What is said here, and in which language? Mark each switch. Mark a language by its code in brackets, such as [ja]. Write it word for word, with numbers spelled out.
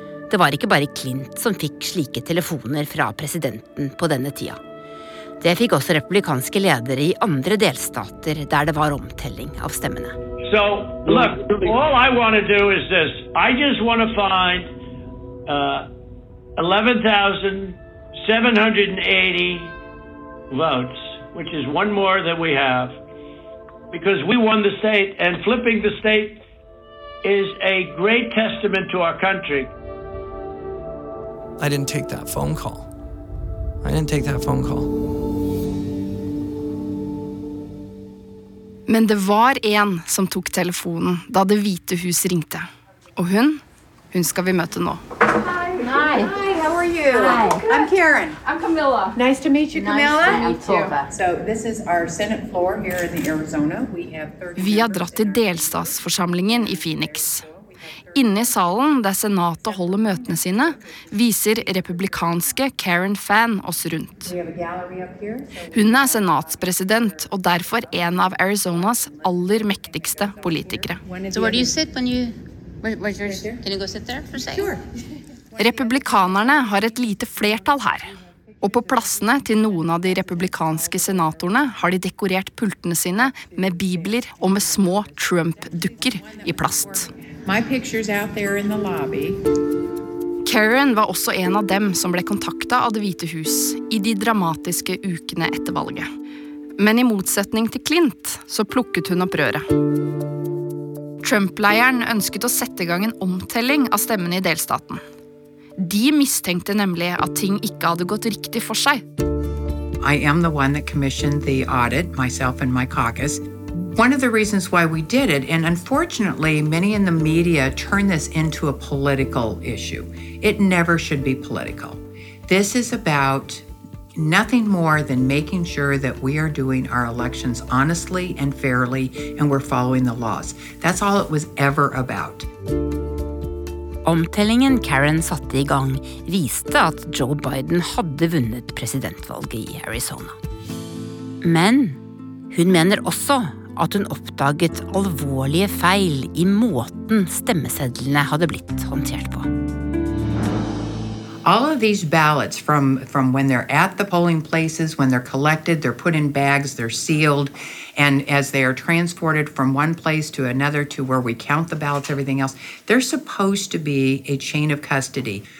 [no] Det var ikke bare Clint som fikk slike telefoner fra presidenten på denne tida. Det fikk også republikanske ledere i andre delstater der det var omtelling av stemmene. [en] So, look, all I want to do is this. I just want to find uh, eleven thousand seven hundred eighty votes, which is one more than we have. Because we won the state, and flipping the state is a great testament to our country. I didn't take that phone call. I didn't take that phone call. [no] Men det var en som tok telefonen da Det hvite hus ringte. Og hun, hun skal vi møte nå. [en] Hi. Hi, how are you? Hi. I'm Karen. I'm Camilla. Nice to meet you, Camilla. Nice to meet you. So this is our Senate floor here in Arizona. We have thirty [no] Vi har dratt til delstatsforsamlingen i Phoenix. Inne i salen der senatet holder møtene sine, viser republikanske Karen Fann oss rundt. Hun er senatspresident og derfor en av Arizonas aller mektigste politikere. [en] So where do you sit when you... Where, where's your, can you go sit there for a second? Sure. [no] Republikanerne har et lite flertall her, og på plassene til noen av de republikanske senatorene har de dekorert pultene sine med bibler og med små Trump-dukker i plast. [en] My picture's out there in the lobby. [no] Karen var også en av dem som ble kontakta av Det hvite hus I de dramatiske ukene etter valget. Men I motsetning til Clint så plukket hun opp røret. Trump-leiren ønsket å sette I gang en omtelling av stemmene I delstaten. De mistenkte nemlig at ting ikke hadde gått riktig for seg. [en] I am the one that commissioned the audit, myself and my caucus. One of the reasons why we did it, and unfortunately many in the media turn this into a political issue. It never should be political. This is about nothing more than making sure that we are doing our elections honestly and fairly, and we're following the laws. That's all it was ever about. [no] Omtellingen Karen satte I gang viste at Joe Biden hadde vunnet presidentvalget I Arizona. Men hun mener også at hun oppdaget alvorlige feil I måten stemmesedlene hadde blitt håndtert på. [en] All of these ballots from, from when they're at the polling places, when they're collected, they're put in bags, they're sealed, and as they are transported from one place to another to where we count the ballots, everything else, they're supposed to be a chain of custody.